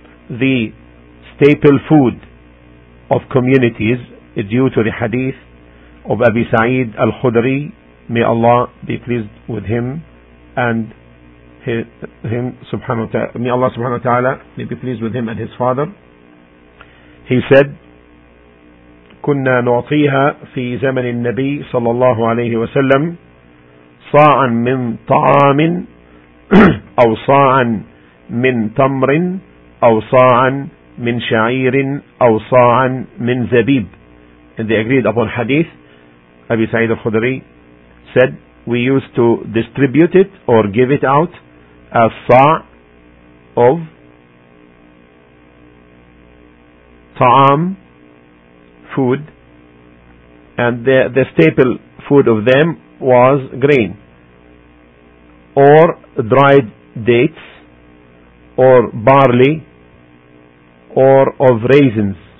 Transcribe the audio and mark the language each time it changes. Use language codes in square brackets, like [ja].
[en] the staple food of communities due to the hadith of Abi Sa'id al-Khudri, may Allah be pleased with him and him subhanahu wa ta'ala, may Allah subhanahu wa ta'ala be pleased with him and his father. He said, [ar] كنا نعطيها في زمن النبي صلى الله عليه وسلم صاعا من طعام أو صاعا من تمر أو صاعا من شعير أو صاعا من زبيب. [en] And they agreed upon hadith. Abi Sa'id al-Khudri said, we used to distribute it or give it out as sa' of ta'am, food, and the staple food of them was grain or dried dates or barley or of raisins.